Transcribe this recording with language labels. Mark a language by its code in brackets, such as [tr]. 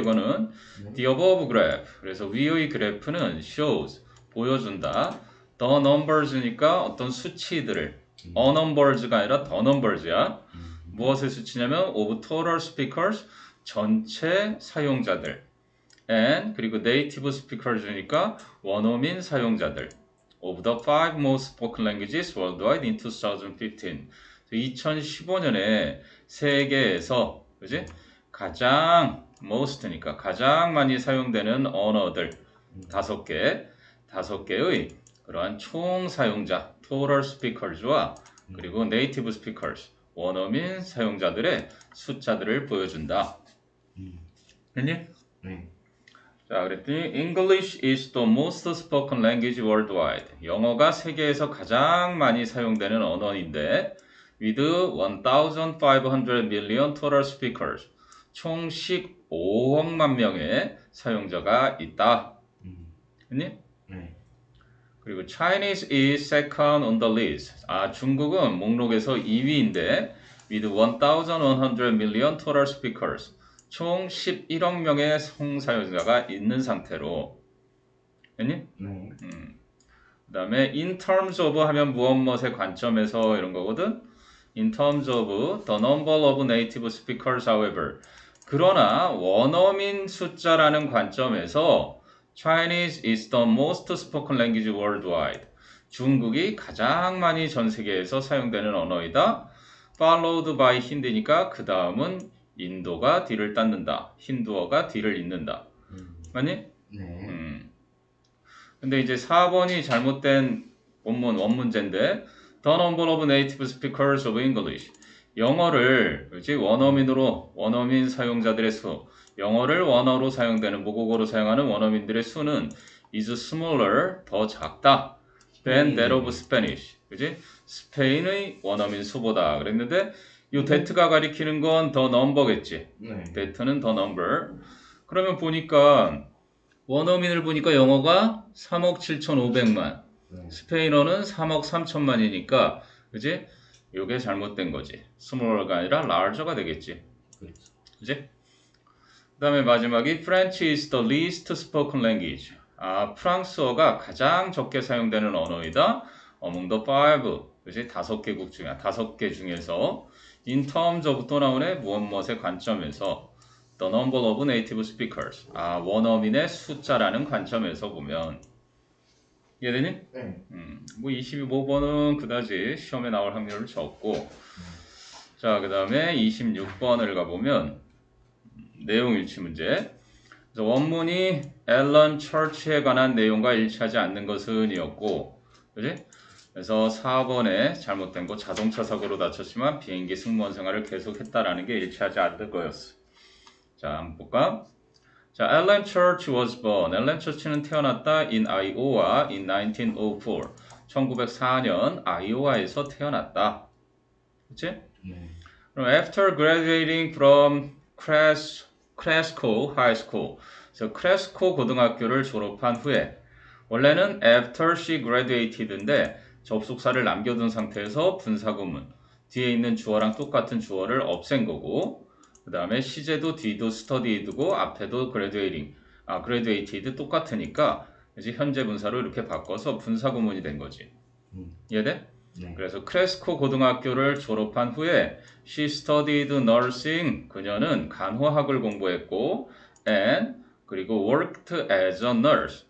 [ko] 이거는 [en] the above graph. [ko] 그래서 위의 그래프는 [en] shows [ko] 보여준다. [en] the numbers [ko] 니까 어떤 수치들을 [en] unnumbers가 [ko] 아니라 [en] the numbers야. 무엇의 수치냐면 of total speakers [ko] 전체 사용자들 [en] and [ko] 그리고 [en] native speakers니까 [ko] 원어민 사용자들 [en] of the five most spoken languages worldwide in 2015. [ko] 2015년에 세계에서 그지? 가장 most니까 가장 많이 사용되는 언어들 5개의 그러한 총 사용자 total speakers와 그리고 native speakers 원어민 사용자들의 숫자들을 보여준다. 했니? 자, 그랬더니 [en] English is the most spoken language worldwide. [ko] 영어가 세계에서 가장 많이 사용되는 언어인데 [en] with 1,500 million total speakers. [ko] 총 15억만 명의 사용자가 있다. 했니? [en] 그리고 Chinese is second on the list. [ko] 아, 중국은 목록에서 2위인데, [en] with 1,100 million total speakers. [ko] 총 11억 명의 성사용자가 있는 상태로. 했니? 그 다음에, [en] in terms of [ko] 하면 무엇무엇의 관점에서 이런 거거든? [en] In terms of the number of native speakers, however. 그러나 원어민 숫자라는 관점에서 Chinese is the most spoken language worldwide. [ko] 중국이 가장 많이 전 세계에서 사용되는 언어이다. [en] Followed by Hindi니까 [ko] 그 다음은 인도가 뒤를 따른다. 힌두어가 뒤를 잇는다. 맞니? 근데 이제 4번이 잘못된 원문제인데 [en] The number of native speakers of English. [ko] 영어를, 그렇지? 원어민으로, 원어민 사용자들의 수, 영어를 원어로 사용되는, 모국어로 사용하는 원어민들의 수는 [en] is smaller, [ko] 더 작다 [en] than that of [ko] 스페니쉬, 그렇지? 스페인의 원어민 수보다 그랬는데, 요 [en] that가 [ko] 가리키는 건더 넘버겠지? [en] that는 [ko] 더 넘버. 그러면 보니까 원어민을 보니까 영어가 3억 7,500만, 스페인어는 3억 3천만이니까, 그렇지? 요게 잘못된 거지. [en] smaller가 [ko] 아니라 [en] larger가 [ko] 되겠지. 그지? 그 다음에 마지막이 [en] French is the least spoken language. [ko] 아, 프랑스어가 가장 적게 사용되는 언어이다. [en] among the five. [ko] 그지? 다섯 개 중에서. [en] in terms of [ko] 또 나오네. 무엇무엇의 관점에서. [en] the number of native speakers. [ko] 아, 원어민의 숫자라는 관점에서 보면. 이해되니? 뭐 25번은 그다지 시험에 나올 확률은 적고 자, 그 다음에 26번을 가보면 내용 일치 문제 그래서 원문이 앨런 처치에 관한 내용과 일치하지 않는 것은 이었고, 그지? 그래서 4번에 잘못된 거 자동차 사고로 다쳤지만 비행기 승무원 생활을 계속했다라는 게 일치하지 않는 거였어. 자, 한번 볼까? 자, [en] Alan Church was born. [ko] Alan Church는 태어났다. [en] In Iowa in 1904. [ko] 1904년 아이오와에서 태어났다. 그렇지? 네. [en] 그럼 after graduating from Cresco High School. [ko] 그래서 크레스코 고등학교를 졸업한 후에 원래는 [en] after she graduated인데 [ko] 접속사를 남겨둔 상태에서 분사구문 뒤에 있는 주어랑 똑같은 주어를 없앤 거고 그 다음에 시제도 뒤도 studied고 앞에도 graduated 똑같으니까 이제 현재 분사로 이렇게 바꿔서 분사구문이 된 거지. 이해돼? 네. 그래서 크레스코 고등학교를 졸업한 후에 [en] she studied nursing. [ko] 그녀는 간호학을 공부했고 [en] and [ko] 그리고 [en] worked as a nurse.